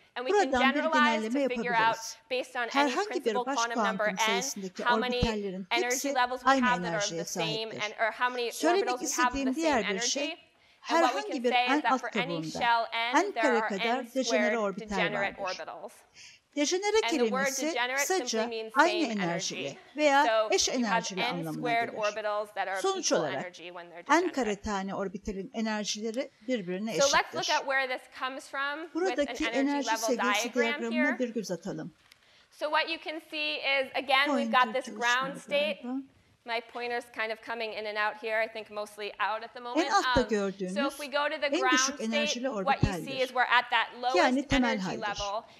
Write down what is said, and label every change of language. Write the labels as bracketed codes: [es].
[en] And we can generalize to figure out, based on any principal quantum number n, how many energy levels we have that are of the same, or how many orbitals we have of the same energy. And what we can say is that for any shell n, there are n squared degenerate orbitals. Degenerate and the word degenerate simply means same energy. [tr] Veya eş enerjili anlamına gelir. [en] So you have n squared orbitals that are of equal energy when they're degenerate. [tr] Sonuç olarak n kare tane orbitalin enerjileri birbirine eşittir. [en] So let's look at where this comes from buradaki with an energy level diagram here. [tr] Bir göz atalım. [en] So what you can see is, again, we've got this ground state. My pointer's kind of coming in and out here, I think mostly out at the moment. So if we go to the ground state, what you see is we're at that lowest energy level.